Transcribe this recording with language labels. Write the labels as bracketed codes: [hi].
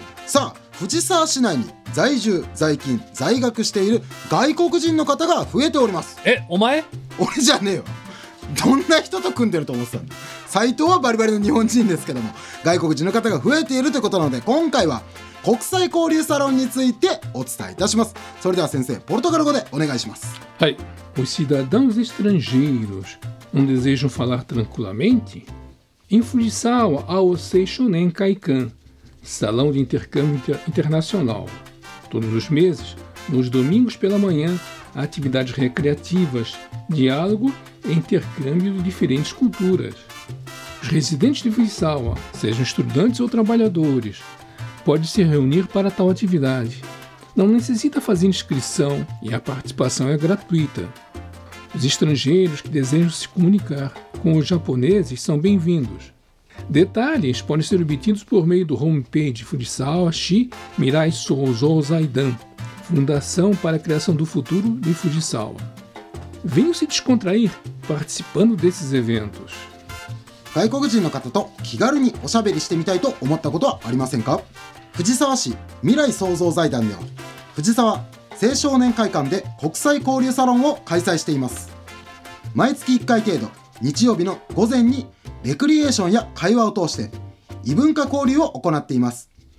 [ja] さあ、藤沢市内に在住在勤在学している外国人の方が増えております。え、お前？俺じゃねえよ。どんな人と組んでると思ってたんだ。斉藤はバリバリの日本人ですけども、外国人の方が増えているということなので、今回は国際交流サロンについてお伝えいたします。それでは先生、ポルトガル語でお願いします。はい。 [pt] Os cidadãos estrangeiros não desejam falar tranquilamente? Em Fujisawa há o Seishonen Kaikan, salão de intercâmbio internacional. Todos os meses, nos domingos pela manhã, há atividades recreativas, diálogo e intercâmbio de diferentes culturas. Os residentes de Fujisawa, sejam estudantes ou trabalhadores, podem se reunir para tal atividade. Não necessita fazer inscrição e a participação é gratuita. Os estrangeiros que desejam se comunicar com os japoneses são bem-vindos. Detalhes podem ser obtidos por meio do homepage Fujisawa Shi Mirai Sozou Zaidan, Fundação para a Criação do Futuro de Fujisawa. Venham se descontrair participando desses eventos. [ja] 外国人の方と気軽におしゃべりしてみたいと思ったことはありませんか？藤沢市未来創造財団では藤沢青少年会館で国際交流サロンを開催しています。毎月1回程度、日曜日の午前にレクリエーションや会話を通して異文化交流を行っています。